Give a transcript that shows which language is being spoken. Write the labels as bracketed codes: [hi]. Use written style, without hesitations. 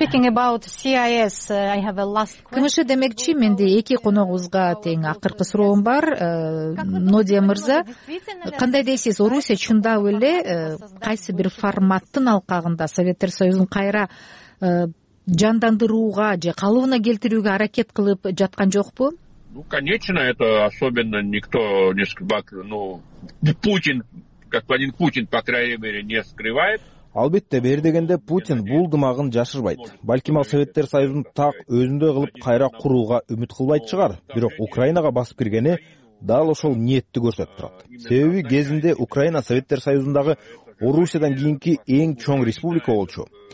[ky] КМШ демекчи, менде эки коногубузга тең акыркы суроо бар. Нодия мырза, кандай дейсиз, Орусия чындап эле кайсы бир форматтын алкагында Советтер Союзун кайра жандандырууга же калыбына келтирүүгө аракет кылып жаткан жокпу? [ru] Ну, конечно, это особенно никто не скрывает, ну, Путин, господин Путин, по крайней мере, не скрывает. [ky] Албетте, бери дегенде Путин бул дымагын жашырбайт. Балким ал Советтер Союзун так өзүндө кылып кайра курууга үмүт кылбайт чыгар. Бирок Украинага басып киргени дал ошол ниетти көрсөтүп турат. Себеби кезинде Украина Советтер Союзундагы Орусиядан кийинки эң чоң республика болчу.